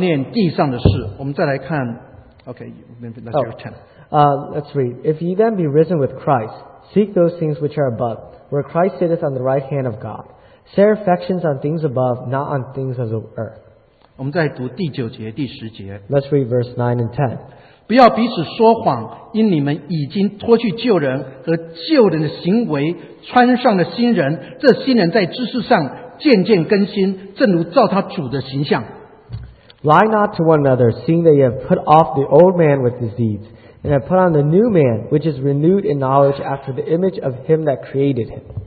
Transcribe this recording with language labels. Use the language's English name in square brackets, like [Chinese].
[Chinese] 好，找到了，我们来念。来，所以你们若真与基督一同复活，就当求在上面的事。那里有基督坐在神的右边，你们要思念上面的事，不要思念地上的事。我们再来看。 OK，那就是10. [English] Let's read. If ye then be risen with Christ, seek those things which are above, where Christ sitteth on the right hand of God. Set your affections on things above, not on things of the earth. [Chinese] 我们再读第九节、第十节。 [English] Let's read verse 9 and 10. [Chinese] 不要彼此说谎, 因你们已经脱去旧人和旧人的行为,穿上了新人, 这新人在知识上渐渐更新, 正如照他主的形象。 [English] Lie not to one another, seeing that you have put off the old man with his deeds, and have put on the new man, which is renewed in knowledge after the image of him that created him.